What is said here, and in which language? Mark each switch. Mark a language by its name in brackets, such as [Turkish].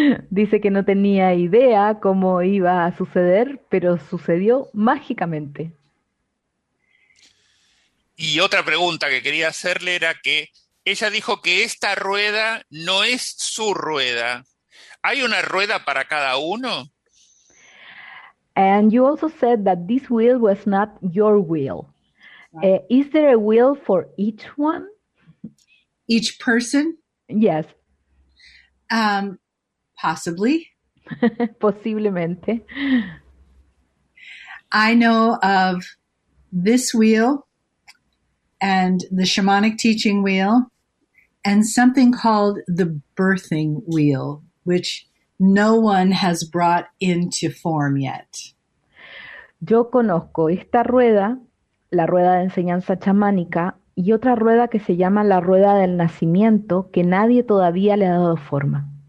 [Spanish] Dice que no tenía idea cómo iba a suceder, pero sucedió mágicamente. Y otra pregunta que quería hacerle era que ella dijo que esta rueda no es su rueda. ¿Hay una rueda para cada uno? [English] And you also said that this wheel was not your wheel. Is there a wheel for each one? Each person? Yes. Possibly. [Spanish] Posiblemente. [English] I know of this wheel and the shamanic teaching wheel and something called the birthing wheel, which no one has brought into form yet. [Spanish] Yo conozco esta rueda, la rueda de enseñanza chamánica, y otra rueda que se llama la rueda del nacimiento, que nadie todavía le ha dado forma.